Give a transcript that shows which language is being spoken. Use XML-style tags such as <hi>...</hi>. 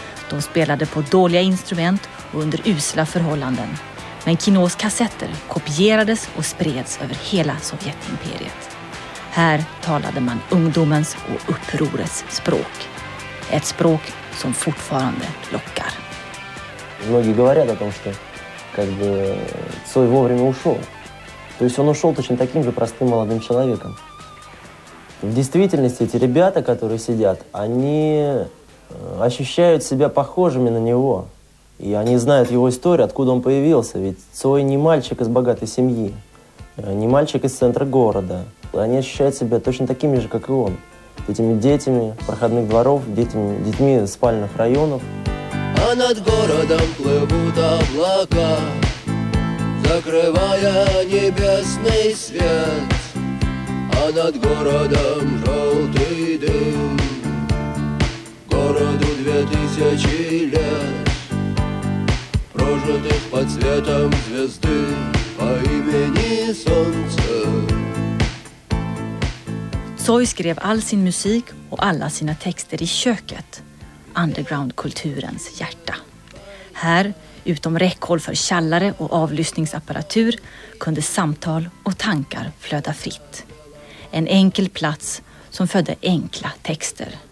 <sv>De spelade på dåliga instrument och under usla förhållanden, men Kinos kassetter kopierades och spreds över hela Sovjetimperiet. Här talade man ungdomens och upprorets språk. Ett språk som fortfarande lockar.</sv> <ru>Многие говорят о том, что как бы Цой вовремя ушел. То есть он ушел точно таким же простым молодым человеком. В действительности эти ребята, которые сидят, они ощущают себя похожими на него. И они знают его историю, откуда он появился. Ведь Цой не мальчик из богатой семьи, не мальчик из центра города. Они ощущают себя точно такими же, как и он. Этими детьми проходных дворов, детьми спальных районов. А над городом плывут облака, закрывая небесный свет. А над городом желтый дым, городу 2000 лет, прожитых под светом звезды по имени Солнце.</ru> <sv>Tsoi skrev all sin musik och alla sina texter i köket. Underground-kulturens hjärta. Här, utom räckhåll för källare och avlyssningsapparatur, kunde samtal och tankar flöda fritt. En enkel plats som födde enkla texter.</sv>